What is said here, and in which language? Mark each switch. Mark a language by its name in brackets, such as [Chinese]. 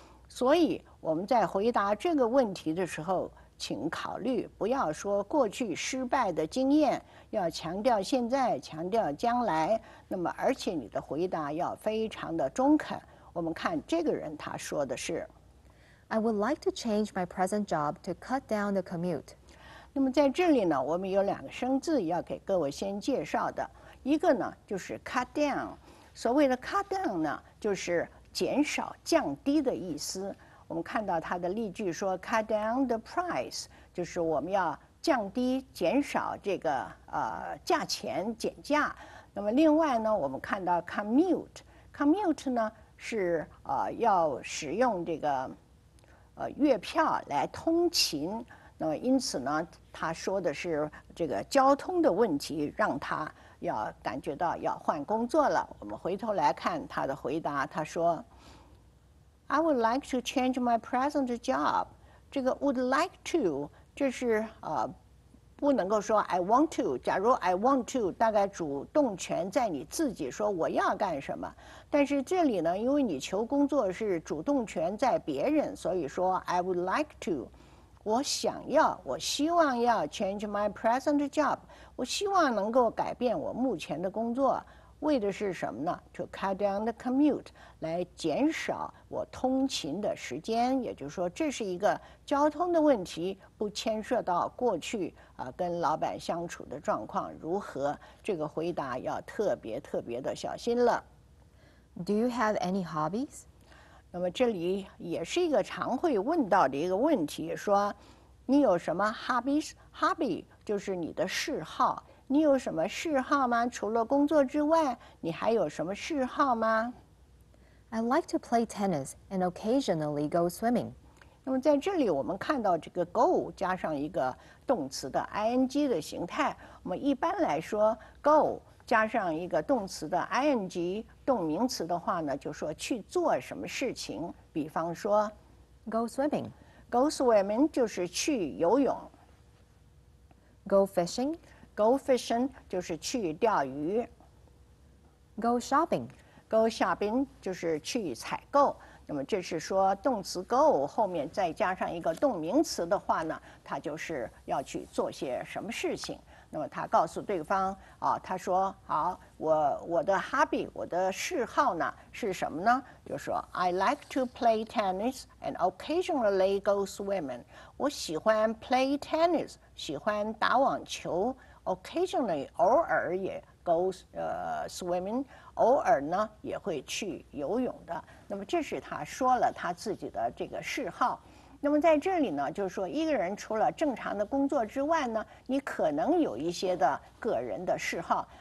[Chinese] 所以我们在回答这个问题的时候，请考虑不要说过去失败的经验，要强调现在，强调将来。那么而且你的回答要非常的中肯。我们看这个人他说的是 [English] I would like to change my present job to cut down the commute。 [Chinese] 那么在这里呢，我们有两个生字要给各位先介绍的，一个呢就是 cut down， 所谓的 cut down 呢就是减少、降低的意思。我们看到它的例句说 cut down the price，就是我们要降低、减少这个价钱、减价。那么另外呢，我们看到 commute 呢是要使用这个月票来通勤。那么因此呢，他说的是这个交通的问题让他要感觉到要换工作了。我们回头来看他的回答，他说 I would like to change my present job。这个 would like to 这是不能够说 I want to，假如 I want to 大概主动权在你自己，说我要干什么，但是这里呢，因为你求工作是主动权在别人，所以说 I would like to，我想要，我希望要 change my present job，我希望能够改变我目前的工作，为的是什么呢？ [English] To cut down the commute，来减少我通勤的时间。 [Chinese] 也就是说这是一个交通的问题，不牵涉到过去跟老板相处的状况如何。这个回答要特别特别的小心了。 [English] Do you have any hobbies？ [Chinese] 那么这里也是一个常会问到的一个问题，说你有什么 hobbies？ hobby 就是你的嗜好，你有什么嗜好吗？除了工作之外，你还有什么嗜好吗？ [English] I like to play tennis and occasionally go swimming。 [Chinese] 那么在这里我们看到这个 go 加上一个动词的 ing 的形态，我们一般来说 go 加上一个动词的 ing动名词的话呢，就说去做什么事情，比方说 [English] Go swimming。 [Chinese] Go swimming 就是去游泳。 [English] Go fishing。 [Chinese] Go fishing 就是去钓鱼。 [English] Go shopping。 [Chinese] Go shopping 就是去采购。那么这是说动词 go 后面再加上一个动名词的话呢，它就是要去做些什么事情。那么他告诉对方他说好，我的 hobby， 我的嗜好呢是什么呢？ [English] 就说 I like to play tennis and occasionally go swimming。 [Chinese] 我喜欢 play tennis，喜欢打网球， occasionally 偶尔也 go swimming，偶尔呢也会去游泳的。那么这是他说了他自己的这个嗜好。那么在这里呢，就是说一个人除了正常的工作之外呢，你可能有一些的个人的嗜好。